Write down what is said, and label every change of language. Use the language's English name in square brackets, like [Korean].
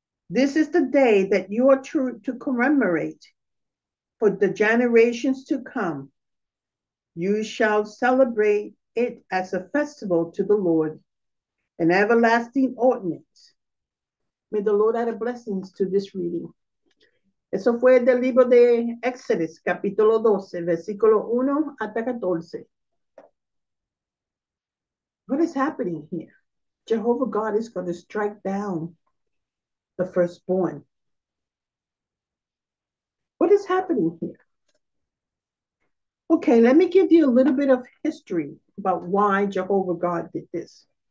[English] This is the day that you are to commemorate for the generations to come. You shall celebrate it as a festival to the Lord. An everlasting ordinance. May the Lord add a blessings to this reading. [Spanish] Eso fue del libro de Exodus, capítulo 12, versículo 1 hasta 14. [English] What is happening here? Jehovah God is going to strike down the firstborn. What is happening here? Okay, let me give you a little bit of history about why Jehovah God did this.